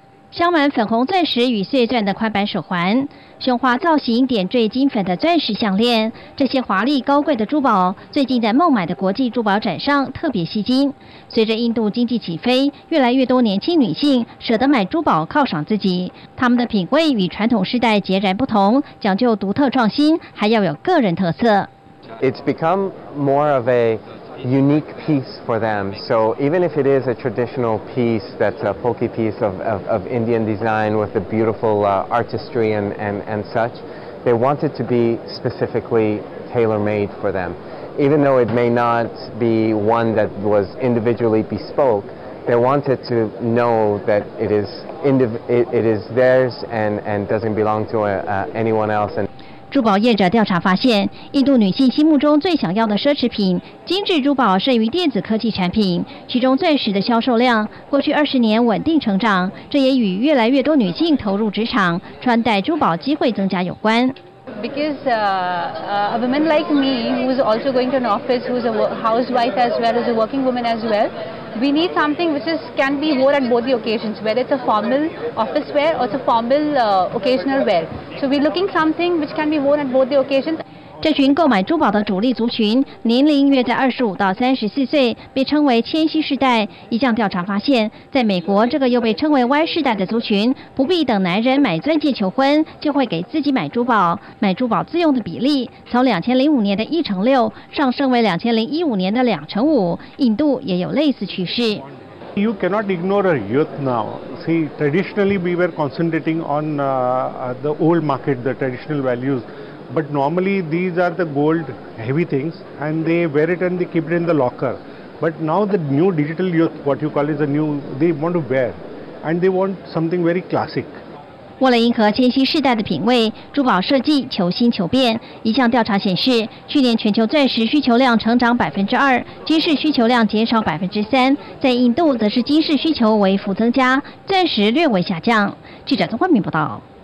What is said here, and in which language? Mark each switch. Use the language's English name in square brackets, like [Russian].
[Chinese] 镶满粉红钻石与碎钻的宽板手环，胸花造型点缀金粉的钻石项链，这些华丽高贵的珠宝最近在孟买的国际珠宝展上特别吸睛。随着印度经济起飞，越来越多年轻女性舍得买珠宝犒赏自己，她们的品味与传统世代截然不同，讲究独特创新，还要有个人特色。 [English] It's become more of a unique piece for them. So even if it is a traditional piece that's a folky piece of Indian design with a beautiful artistry and such, they want it to be specifically tailor-made for them. Even though it may not be one that was individually bespoke, they want it to know that it is theirs and doesn't belong to anyone else. And [Chinese] 珠宝业者调查发现，印度女性心目中最想要的奢侈品精致珠宝胜于电子科技产品，其中钻石的销售量过去二十年稳定成长，这也与越来越多女性投入职场穿戴珠宝机会增加有关。 [English] Because a woman like me who's also going to an office, who's a housewife as well as a working woman as well, we need something which is, can be worn at both the occasions, whether it's a formal office wear or it's a formal occasional wear. So we're looking something which can be worn at both the occasions. [Chinese] 这群购买珠宝的主力族群年龄约在25到34岁，被称为千禧世代。一项调查发现，在美国这个又被称为 Y 世代的族群，不必等男人买钻戒求婚就会给自己买珠宝，买珠宝自用的比例从2005年的1:6上升为2015年的2:5。印度也有类似趋势。 [English] You cannot ignore a youth now. See, traditionally we were concentrating on the old market, the traditional values. But normally these are the gold heavy things and they wear it and they keep it in the locker. But now the new digital youth, what you call is a new, they want to wear and they want something very classic. [Chinese] 为了迎合千禧世代的品味，珠宝设计求新求变。一项调查显示，去年全球钻石需求量成长2%，金饰需求量减少3%，在印度则是金饰需求微幅增加，钻石略微下降。记者曾冠明报道。